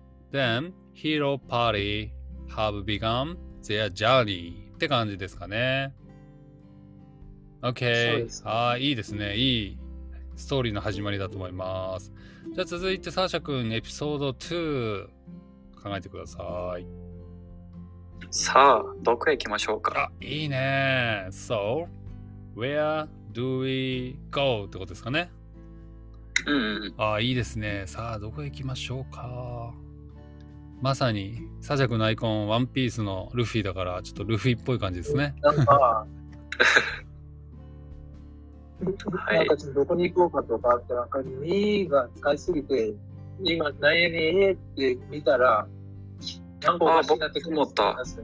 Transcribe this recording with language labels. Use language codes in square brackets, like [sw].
[en] Then hero party have begun their journey [ja] って感じですかね。 OK、 あ、いいですね。いいストーリーの始まりだと思います。じゃあ続いてサーシャ君、エピソード2考えてください。さあ、どこへ行きましょうか。あ、いいね。 [en] So where do we go [ja] ってことですかね。うん、あ、いいですね。さあ、どこへ行きましょうか。まさにサジャクのアイコン、ワンピースのルフィだから、ちょっとルフィっぽい感じですね。なんかなんかどこに行こうかとかって、なんか2位が使いすぎて今何やねえって見たら、なんかおかしいなって思った。